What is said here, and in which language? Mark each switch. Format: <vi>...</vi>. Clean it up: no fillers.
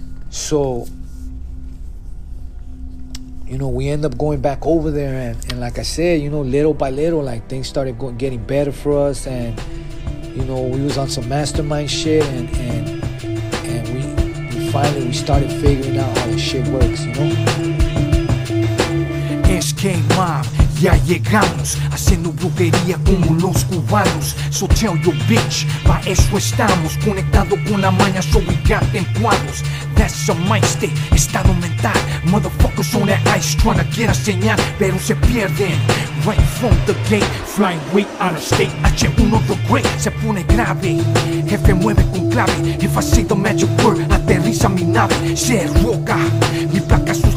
<en>So, you know, we end up going back over there. And like I said, you know, little by little, like, things started getting better for us. And, you know, we was on some mastermind shit. And we finally started figuring out how this shit works, you know? SK Mom.</en> <es>Ya llegamos, haciendo brujería como los cubanos.</es> <en>So tell your bitch,</en> <es>pa' eso estamos. Conectado con la maña,</es> <en>so we got them</en> <es>cuadros.</es> <en>That's a mind state,</en> <es>estado mental.</es> <en>Motherfuckers on that ice, tryna get a</en> <es>señal. Pero se pierden,</es> <en>right from the gate. Flying way out of state, H1 the great.</en> <es>Se pone grave, jefe mueve con clave.</es> <en>If I say the magic word,</en> <es>aterriza mi nave. Se roca, mi placa sus</es>